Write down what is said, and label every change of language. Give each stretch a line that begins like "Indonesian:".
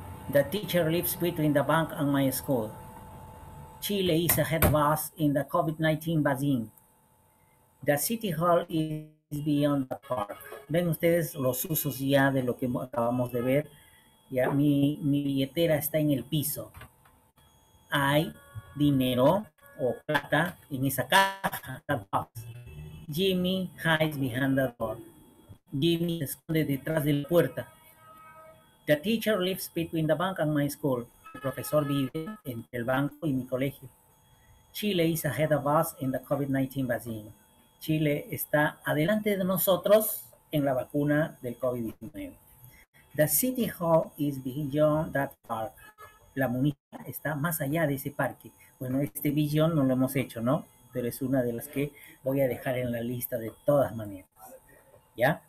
English: The teacher lives between the bank and my school. Chile is ahead of us in the COVID-19 vaccine. The city hall is beyond the park.
Spanish: ¿Ven ustedes los usos ya de lo que acabamos de ver? Ya, mi billetera está en el piso. Hay dinero o plata en esa caja.
English: That box. Jimmy hides behind the door.
Spanish: Jimmy se esconde detrás de la puerta.
English: The teacher lives between the bank and my school.
Spanish: El profesor vive entre el banco y mi colegio.
English: Chile is ahead of us in the COVID-19 vaccine.
Spanish: Chile está adelante de nosotros en la vacuna del COVID-19.
English: The city hall is beyond that park.
Spanish: La municipalidad está más allá de ese parque. Bueno, este beyond no lo hemos hecho, ¿no? Pero es una de las que voy a dejar en la lista de todas maneras. ¿Ya?